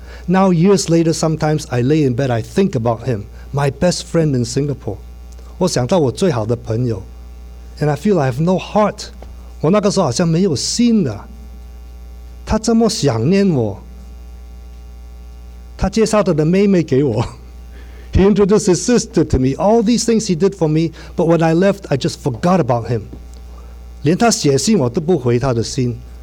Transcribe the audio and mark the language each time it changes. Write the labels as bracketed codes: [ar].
[en] Now years later, sometimes I lay in bed, I think about him, my best friend in Singapore. [zh] 我想到我最好的朋友, [en] and I feel I have no heart. [zh] 我那个时候好像没有心的。他这么想念我。他介绍他的妹妹给我。 [en] He introduced his sister to me. All these things he did for me, but when I left, I just forgot about him. [zh] 连他写信我都不回他的信。